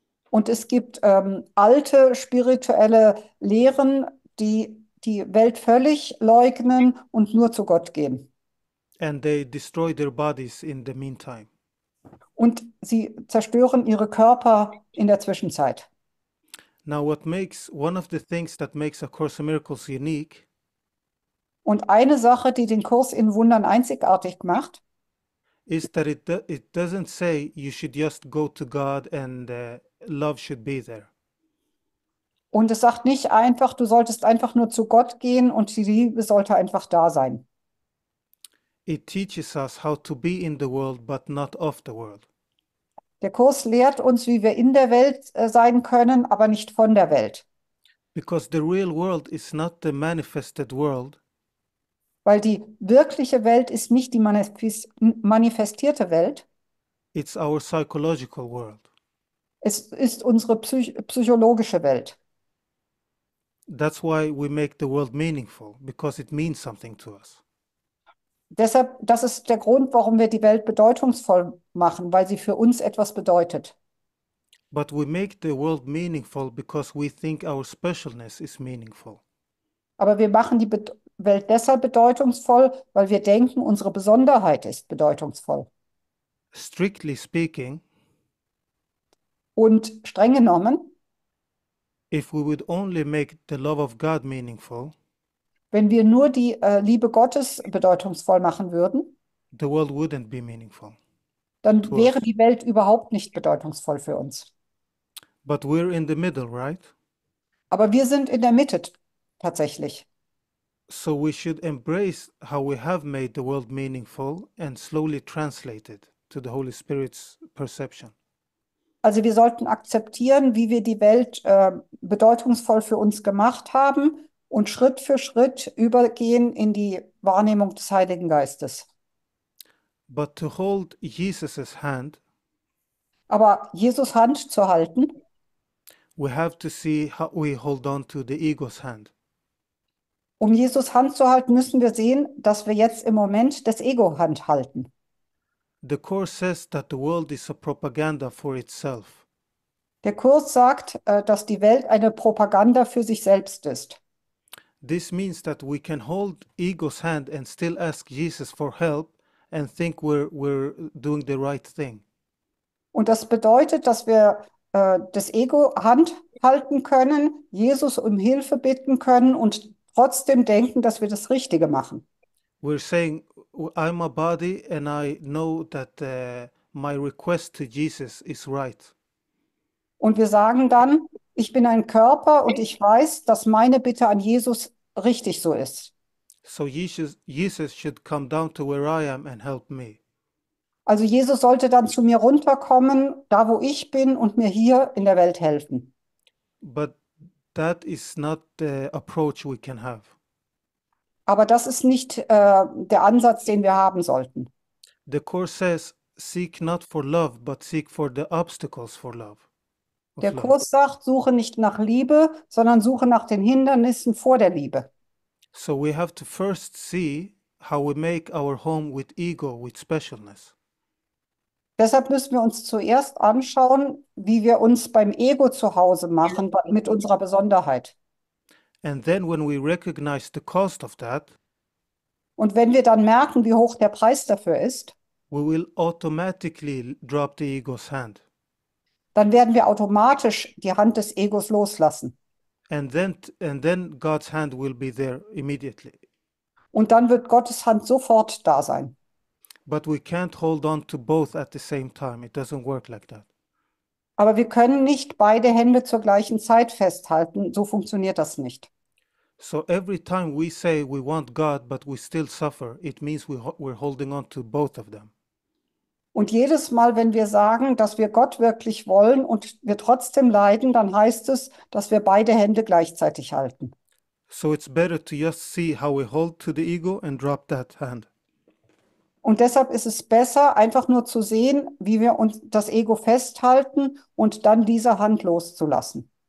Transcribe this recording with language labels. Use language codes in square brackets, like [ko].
[de] Und es gibt alte spirituelle Lehren, die Welt völlig leugnen und nur zu Gott gehen. [en] And they destroy their bodies in the meantime. [de] Und sie zerstören ihre Körper in der Zwischenzeit. [en] Now, what makes one of the things that makes A Course in Miracles unique [de] Und eine Sache, die den Kurs in Wundern einzigartig macht, [en] is that it doesn't say you should just go to God and love should be there. [de] und es sagt nicht einfach, du solltest einfach nur zu Gott gehen und die Liebe sollte einfach da sein. [en] It teaches us how to be in the world, but not of the world. [de] Der Kurs lehrt uns, wie wir in der Welt sein können, aber nicht von der Welt. [en] Because the real world is not the manifested world. [de] Weil die wirkliche Welt ist nicht die manifestierte Welt. [en] It's our psychological world. [de] Es ist unsere psychologische Welt. [en] That's why we make the world meaningful, because it means something to us. [de] Deshalb, das ist der Grund, warum wir die Welt bedeutungsvoll machen, weil sie für uns etwas bedeutet. [en] But we make the world meaningful because we think our specialness is meaningful. [de] Aber wir machen die Be Welt deshalb bedeutungsvoll, weil wir denken, unsere Besonderheit ist bedeutungsvoll. [en] Strictly speaking, [de] Und streng genommen, [en] if we would only make the love of God meaningful, [de] wenn wir nur die Liebe Gottes bedeutungsvoll machen würden, [en] the world wouldn't be meaningful. [de] dann [en] to [de] wäre [en] us. [de] die Welt überhaupt nicht bedeutungsvoll für uns. [en] But we're in the middle, right? [de] Aber wir sind in der Mitte tatsächlich. [en] So we should embrace how we have made the world meaningful and slowly translate it to the Holy Spirit's perception. [de] Also wir sollten akzeptieren, wie wir die Welt bedeutungsvoll für uns gemacht haben und Schritt für Schritt übergehen in die Wahrnehmung des Heiligen Geistes. [en] But to hold Jesus's hand, [de] Aber Jesus Hand zu halten, [en] we have to see how we hold on to the ego's hand. [de] um Jesus Hand zu halten, müssen wir sehen, dass wir jetzt im Moment das Ego Hand halten. [en] The course says that the world is a propaganda for itself. [de] Der Kurs sagt, dass die Welt eine Propaganda für sich selbst ist. [en] This means that we can hold ego's hand and still ask Jesus for help. And think we're doing the right thing. [de] Und das bedeutet, dass wir das Ego Hand halten können, Jesus um Hilfe bitten können und trotzdem denken, dass wir das Richtige machen. [en] We're saying, I'm a body and I know that my request to Jesus is right. [de] Und wir sagen dann, ich bin ein Körper und ich weiß, dass meine Bitte an Jesus richtig so ist. [en] So Jesus should come down to where I am and help me. [de] Also Jesus sollte dann zu mir runterkommen, da wo ich bin und mir hier in der Welt helfen. [en] But that is not the approach we can have. [de] Aber das ist nicht der Ansatz, den wir haben sollten. [en] The course says, seek not for love, but seek for the obstacles for love, [de] Der [en] of love. [de] Kurs sagt, suche nicht nach Liebe, sondern suche nach den Hindernissen vor der Liebe. [en] So we have to first see how we make our home with ego, with specialness. [de] Deshalb müssen wir uns zuerst anschauen, wie wir uns beim Ego zu Hause machen, mit unserer Besonderheit. [en] And then when we recognize the cost of that, [de] Und wenn wir dann merken, wie hoch der Preis dafür ist, [en] we will automatically drop the ego's hand. [de] dann werden wir automatisch die Hand des Egos loslassen. [en] And then God's hand will be there immediately. [de] Und dann wird Gottes Hand sofort da sein. [en] But we can't hold on to both at the same time. It doesn't work like that. [de] Aber wir können nicht beide Hände zur gleichen Zeit festhalten. So funktioniert das nicht. [en] So every time we say we want God, but we still suffer, it means we're holding on to both of them. [de] Und jedes Mal, wenn wir sagen, dass wir Gott wirklich wollen und wir trotzdem leiden, dann heißt es, dass wir beide Hände gleichzeitig halten. [en] So it's better to just see how we hold to the ego and drop that hand. [de] Und deshalb ist es besser, einfach nur zu sehen, wie wir uns das Ego festhalten und dann diese Hand loszulassen.